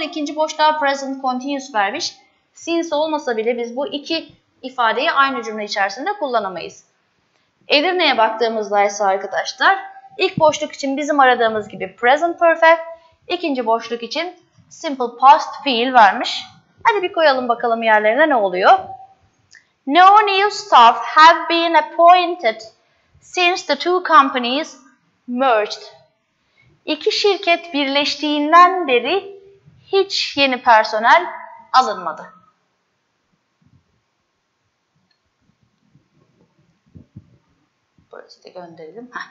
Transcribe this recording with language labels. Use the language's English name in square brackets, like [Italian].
[Turkish] İkinci boşluğa present continuous vermiş. Since olmasa bile biz bu iki ifadeyi aynı cümle içerisinde kullanamayız. Edirne'ye baktığımızda ise arkadaşlar ilk boşluk için bizim aradığımız gibi present perfect, ikinci boşluk için simple past fiil vermiş. Hadi bir koyalım bakalım yerlerine ne oluyor. [English] No new staff have been appointed since the two companies merged. [Turkish] İki şirket birleştiğinden beri hiç yeni personel alınmadı. Burası da gönderelim.